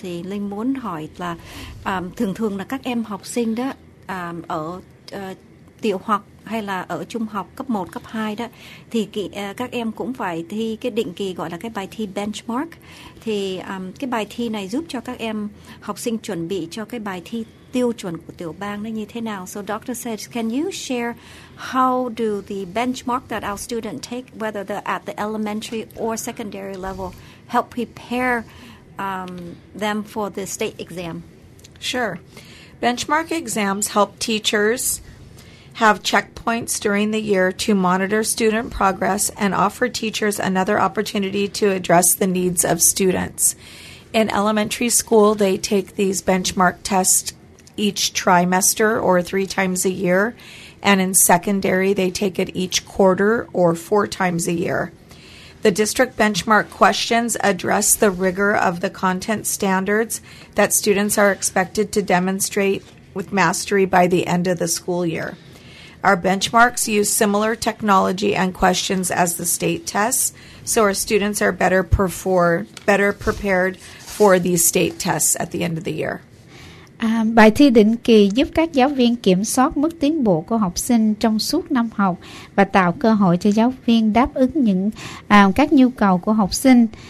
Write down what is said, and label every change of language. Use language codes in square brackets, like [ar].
[vi] Thì Linh muốn hỏi là thường thường là các em học sinh đó ở tiểu học hay là ở trung học cấp 1, cấp 2 đó, thì các em cũng phải thi cái định kỳ gọi là cái bài thi benchmark. Thì cái bài thi này giúp cho các em học sinh chuẩn bị cho cái bài thi tiêu chuẩn của tiểu bang nó như thế nào. [en] So Dr. says, can you share how do the benchmark that our students take, whether they're at the elementary or secondary level, help prepare them for the state exam? Sure. Benchmark exams help teachers have checkpoints during the year to monitor student progress and offer teachers another opportunity to address the needs of students. In elementary school, they take these benchmark tests each trimester or three times a year, and in secondary, they take it each quarter or four times a year. The district benchmark questions address the rigor of the content standards that students are expected to demonstrate with mastery by the end of the school year. Our benchmarks use similar technology and questions as the state tests, so our students are better prepared for these state tests at the end of the year. [vi] Bài thi định kỳ giúp các giáo viên kiểm soát mức tiến bộ của học sinh trong suốt năm học và tạo cơ hội cho giáo viên đáp ứng những các nhu cầu của học sinh.